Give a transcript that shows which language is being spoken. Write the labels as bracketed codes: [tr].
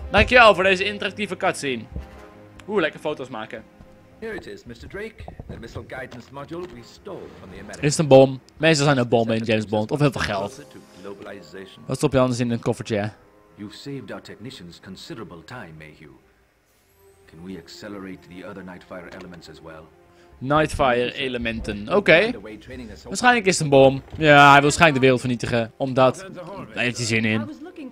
[nl] Dankjewel voor deze interactieve cutscene. Oeh, lekker foto's maken. [en] Here it is, Mr. Drake. The missile guidance module we stole from the Americans. [nl] Is het een bom? Meestal zijn er bommen in James Bond. Of heel veel geld. Wat stop je anders in een koffertje, hè? [en] You've saved our technicians considerable time, Mayhew. Can we accelerate the other Nightfire elements as well? [nl] Nightfire elementen, oké. Waarschijnlijk is het een bom. Ja, hij wil waarschijnlijk de wereld vernietigen. Omdat, daar heeft hij zin in.